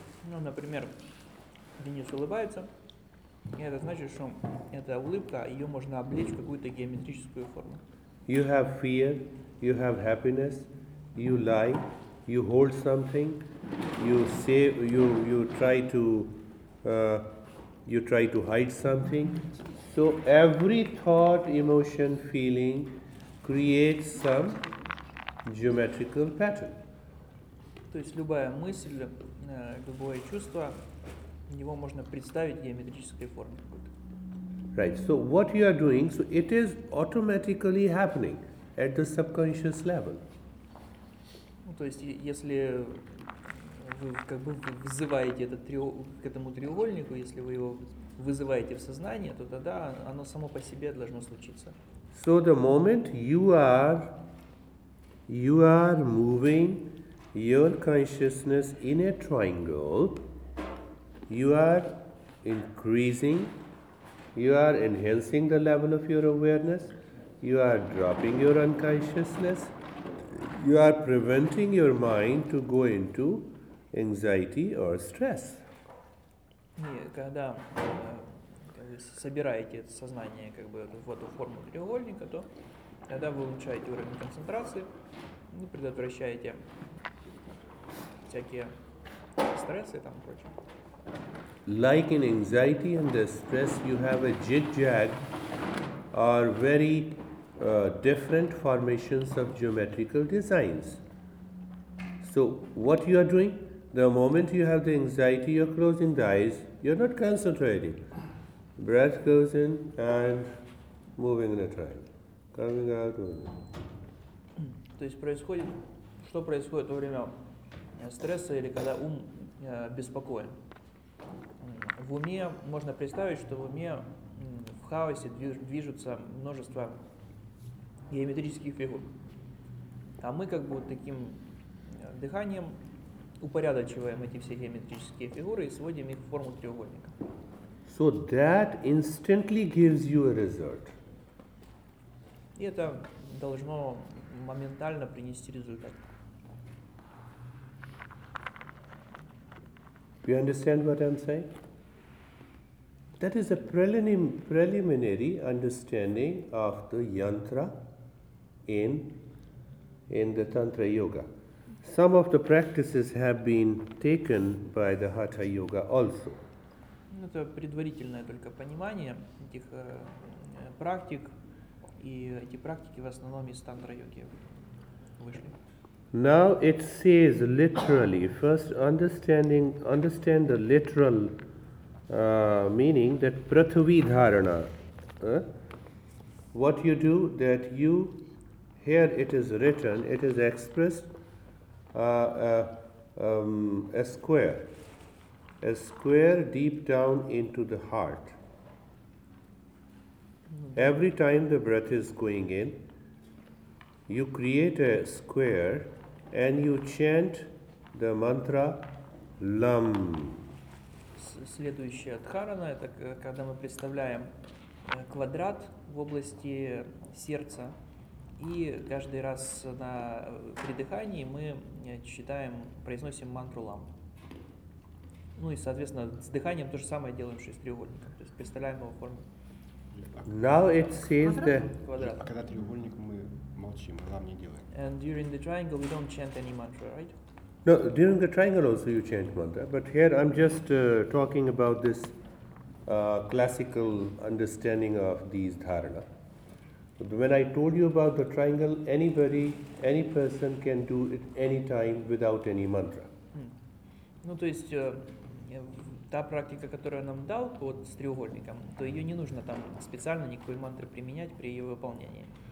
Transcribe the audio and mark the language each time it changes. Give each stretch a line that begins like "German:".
Russian: Ну, например, Денис улыбается. Это значит, что эта улыбка, ее можно облечь в какую-то геометрическую форму.
English: You have fear, you have happiness, you lie, you hold something, you say, you try to hide something. So every thought, emotion, feeling creates some geometrical pattern.
Russian: То есть любая мысль, любое чувство, его можно представить в геометрической форме.
English: Right. So what you are doing, so it is automatically happening at the subconscious level.
Russian: Ну, то есть если вы как бы вызываете этот к этому треугольнику, если вы его вызываете в сознание, то тогда оно само по себе должно случиться.
English: So the moment you are moving your consciousness in a triangle, you are increasing, you are enhancing the level of your awareness, you are dropping your unconsciousness, you are preventing your mind to go into anxiety or stress.
Russian: Когда вы собираете сознание как бы в эту форму треугольника, то когда вы улучшаете уровень концентрации, вы предотвращаете всякие стрессы и там прочее.
English: Like in anxiety and the stress, you have a zigzag or very different formations of geometrical designs. So what you are doing? The moment you have the anxiety, you're closing the eyes, you're not concentrating. Breath goes in and moving in a triangle. Coming out, moving.
Russian: То есть происходит, что происходит во время стресса или когда ум беспокоен? В уме можно представить, что в уме в хаосе движутся множество геометрических фигур. А мы как бы вот таким дыханием упорядочиваем эти все геометрические фигуры и сводим их в форму треугольника.
English: So that instantly gives you a result.
Russian: И это должно моментально принести результат.
English: You understand what I'm saying? That is a preliminary understanding of the yantra in the Tantra Yoga. Some of the practices have been taken by the Hatha Yoga also.
Russian: Это предварительное только понимание этих практик, и эти практики в основном из Тантра Йоги вышли.
English: Now it says literally, first understand the literal meaning that prathvi dharana. What you do that you, here it is written, it is expressed a square deep down into the heart. Every time the breath is going in, you create a square and you chant the mantra lam.
Russian: Следующая дхарана, это когда мы представляем квадрат в области сердца, и каждый раз на придыхании мы читаем, произносим мантру лам. Ну и, соответственно, с дыханием то же самое делаем, что и с треугольником. То есть представляем его форму.
English: Now it says the
Russian: квадрат. А когда треугольник, мы молчим, мы лам не делаем.
English: And during the triangle we don't chant any mantra, right? No, during the triangle also you chant mantra, but here I'm just talking about this classical understanding of these dharana. When I told you about the triangle, any person can do it any time without any mantra.
Russian: Ну, то есть та практика, которую я нам дал вот с треугольником, то ее не нужно там специально никакой мантры применять при ее выполнении.